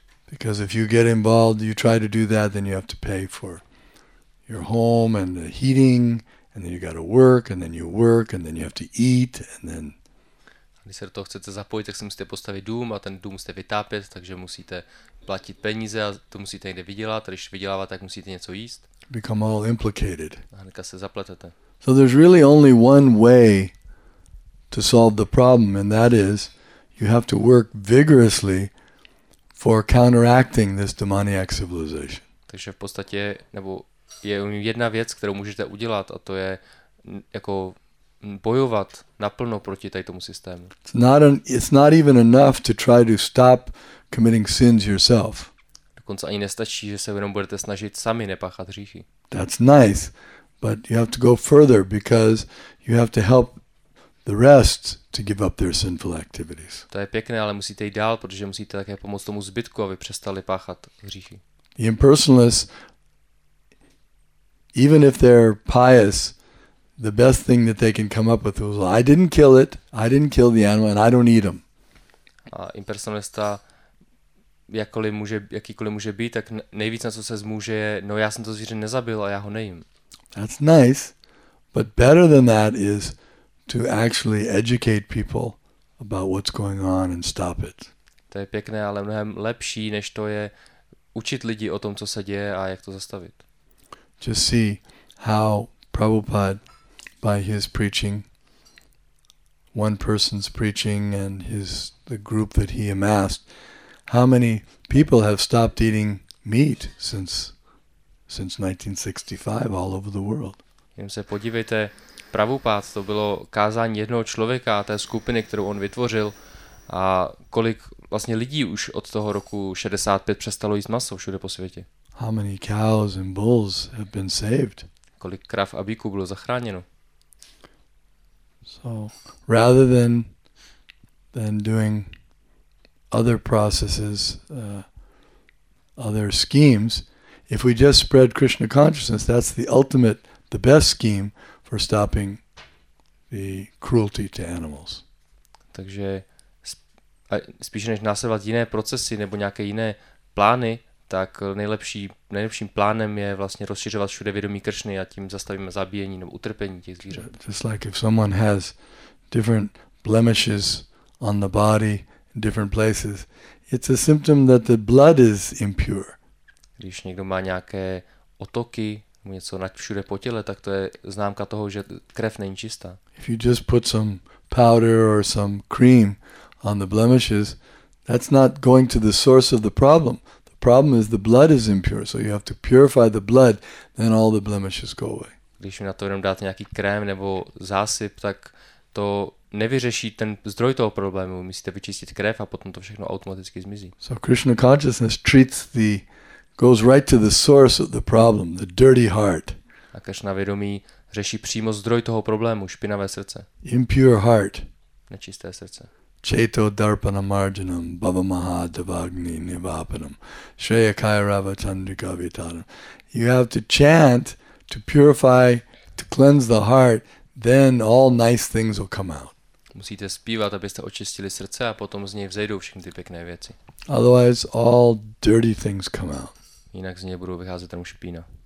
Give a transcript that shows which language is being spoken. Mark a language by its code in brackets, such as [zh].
[en] Because if you get involved, you try to do that, then you have to pay for your home and the heating, and then you got to work, and then you work, and then you have to eat, and then. [cs] Když se do toho chcete zapojit, tak si musíte postavit dům a ten dům musíte vytápět, takže musíte platit peníze a to musíte někde vydělat. Když vyděláváte, tak musíte něco jíst. [en] Become all implicated. [cs] A hnedka se zapletete. [en] So there's really only one way to solve the problem, and that is you have to work vigorously for counteracting this demoniac civilization. [cs] Takže v podstatě nebo je jedna věc, kterou můžete udělat, a to je jako bojovat naplno proti tady tomu systému. [en] It's not even enough to try to stop committing sins yourself. [cs] Dokonce ani nestačí, že se jenom budete snažit sami nepáchat hříchy. [en] That's nice, but you have to go further because you have to help the rest to give up their sinful activities. [cs] To je pěkné, ale musíte jít dál, protože musíte také pomoct tomu zbytku, aby přestali páchat hříchy. [en] The impersonalists, even if they're pious, the best thing that they can come up with was, I didn't kill it, I didn't kill the animal, and I don't eat them. [cs] A impersonalista, jakýkoliv může být, tak nejvíc, na co se zmůže, je, no já jsem to zvíře nezabil a já ho nejím. [en] That's nice, but better than that is to actually educate people about what's going on and stop it. [cs] To je pěkné, ale mnohem lepší, než to je učit lidi o tom, co se děje a jak to zastavit. [en] Just see how Prabhupada, by his preaching, one person's preaching and his the group that he amassed, how many people have stopped eating meat since 1965 all over the world? [cs] Jen se podívejte, Prabhupád, to bylo kázání jednoho člověka a té skupiny, kterou on vytvořil, a kolik vlastně lidí už od toho roku 65 přestalo jíst maso všude po světě. [en] How many cows and bulls have been saved? [cs] Kolik krav a bíků bylo zachráněno? [en] So rather than doing other processes, other schemes, if we just spread Krishna consciousness, that's the ultimate, the best scheme for stopping the cruelty to animals. [cs] Takže spíš než následovat jiné procesy nebo nějaké jiné plány, tak nejlepším plánem je vlastně rozšiřovat všude vědomí Kršny a tím zastavíme zabíjení nebo utrpení těch zvířat. [en] Just like if someone has different blemishes on the body in different places, it's a symptom that the blood is impure. [cs] Když někdo má nějaké otoky, něco všude po těle, tak to je známka toho, že krev není čistá. [en] If you just put some powder or some cream on the blemishes, that's not going to the source of the problem. Problem is the blood is impure, so you have to purify the blood, then all the blemishes go away. [cs] Když mi na to jenom dáte nějaký krém nebo zásyp, tak to nevyřeší ten zdroj toho problému. Musíte vyčistit krev a potom to všechno automaticky zmizí. [en] So Krishna consciousness goes right to the source of the problem, the dirty heart. [cs] A Krishna vědomí řeší přímo zdroj toho problému, špinavé srdce. [en] Impure heart. [cs] Nečisté srdce. [sa] Chaito darpana marjanam bhavamaha devagni nivapanam shreya kairava chandrika vitanam. [en] You have to chant to purify, to cleanse the heart, then all nice things will come out. [cs] Musíte zpívat, abyste očistili srdce a potom z něj vzejdou všechny ty pěkné věci. Otherwise all dirty things come out. Jinak z něj budou vycházet tam špína.